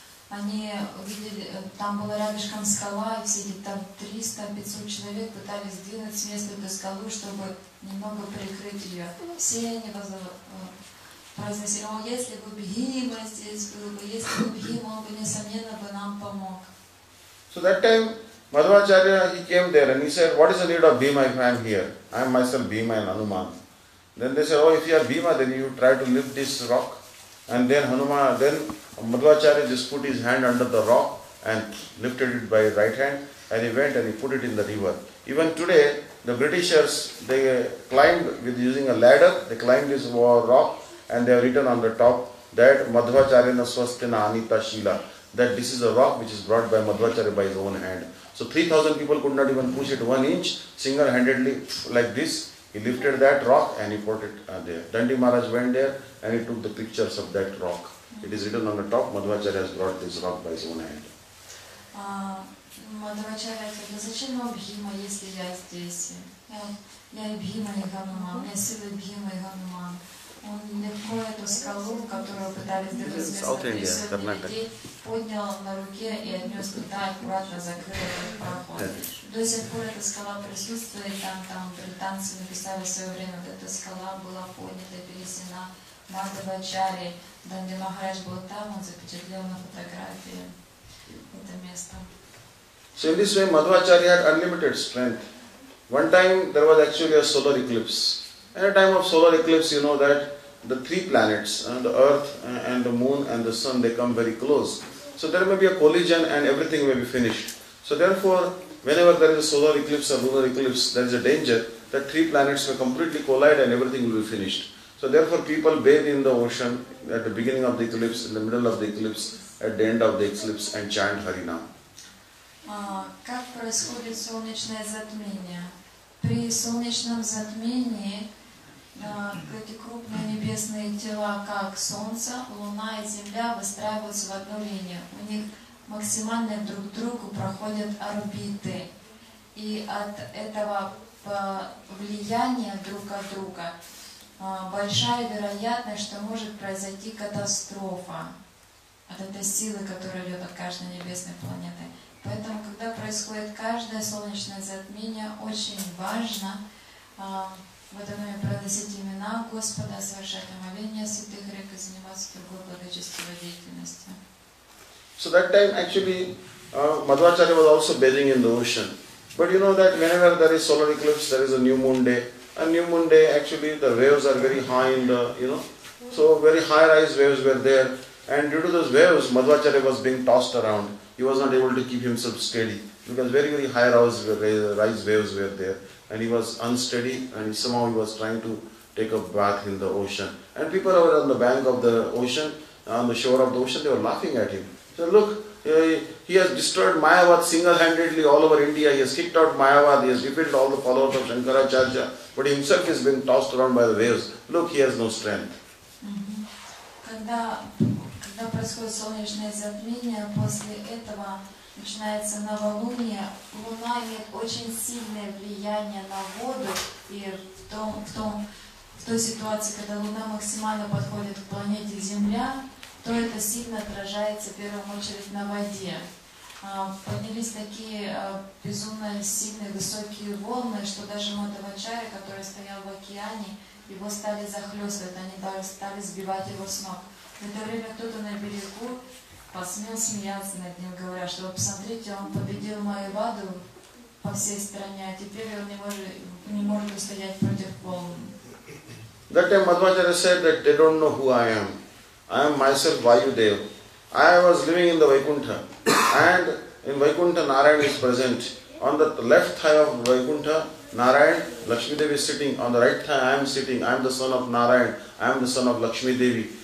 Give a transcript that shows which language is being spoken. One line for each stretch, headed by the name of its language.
Russian: Они увидели, там была рядышком скала, и все эти там 300-500 человек пытались сдвинуть с места эту скалу, чтобы немного прикрыть ее. Все они произносили, о, если бы Бхима здесь был бы, если бы Бхима, он бы, несомненно, бы нам помог.
English: So that time, Madhvacharya, he came there and he said, what is the need of Bhima if I am here? I am myself Bhima and Hanuman. Then they said, oh, if you are Bhima, then you try to lift this rock. And then Hanuman, then Madhvacharya just put his hand under the rock and lifted it by his right hand and he went and he put it in the river. Even today, the Britishers, they climbed with using a ladder, they climbed this rock and they have written on the top that Madhvacharya Swastina Anita Shila, that this is a rock which is brought by Madhvacharya by his own hand. So 3,000 people could not even push it 1 inch, single-handedly like this, he lifted that rock and he put it there. Dandi Maharaj went there and he took the pictures of that rock. It is written on the top, Madhvacharya has brought this rock by his own hand.
Russian: Мадхвачарья говорит, ну зачем вам Бхима, если я здесь? Я и Бхима, и Ханума, у меня силы Бхима, и Ханума. Он легко эту скалу, которую пытались довести, и сотни людей поднял на руке и отнес туда, аккуратно закрыл этот проход. До сих пор эта скала присутствует, там британцы написали в свое время, эта скала была поднята, перенесена. Мадхвачарьи, Данди Махарадж был там, он запечатлел на фотографии это место.
English: So in this way, Madhvacharya had unlimited strength. One time, there was actually a solar eclipse. At a time of solar eclipse, you know that the three planets, the earth, and the moon, and the sun, they come very close. So there may be a collision and everything may be finished. So therefore, whenever there is a solar eclipse or lunar eclipse, there is a danger that three planets may completely collide and everything will be finished. So therefore people bathe in the ocean at the beginning of the eclipse, in the middle of the eclipse, at the end of the eclipse and chant Harinam.
Russian: Как происходит солнечное затмение? При солнечном затмении эти крупные небесные тела, как Солнце, Луна и Земля, выстраиваются в одну линию. У них максимально друг к другу проходят орбиты. И от этого влияния друг от друга большая вероятность, что может произойти катастрофа от этой силы, которая идет от каждой небесной планеты. Поэтому, когда происходит каждое солнечное затмение, очень важно в это время произносить имена Господа, совершать омовение святых рек и заниматься другой благочестивой деятельностью.
English: So that time actually Madhvacharya was also bathing in the ocean. But you know that whenever there is solar eclipse, there is a new moon day. A new moon day actually the waves are very high in the, you know, so very high rise waves were there. And due to those waves, Madhvacharya was being tossed around. He was not able to keep himself steady because very, very high rise waves were there. And he was unsteady and somehow he was trying to take a bath in the ocean. And people were on the bank of the ocean, on the shore of the ocean, they were laughing at him. So look, he has destroyed Mayavad single-handedly all over India. He has kicked out Mayavad. He has defeated all the followers of Shankaracharya. But he himself is being tossed around by the waves. Look, he has no strength.
Russian: Когда происходит солнечное затмение, после этого начинается новолуние. Луна имеет очень сильное влияние на воду и в той ситуации, когда Луна максимально подходит к планете Земля, то это сильно отражается в первую очередь на воде. Поднялись такие безумно сильные высокие волны, что даже Мадхвачарья, который стоял в океане, его стали захлестывать, они даже стали сбивать его с ног. В это время кто-то на берегу посмел смеяться над ним, говоря, что посмотрите, он победил Майваду по всей стране, а теперь он не может устоять против волн.
English: That time Madhvacharya said that they don't know who I am. I am myself Vayudev. I was living in the Vaikuntha. And in Vaikuntha, Narayan is present. On the left thigh of Vaikuntha, Narayan, Lakshmi Devi is sitting. On the right thigh, I am sitting. I am the son of Narayan. I am the son of Lakshmi Devi.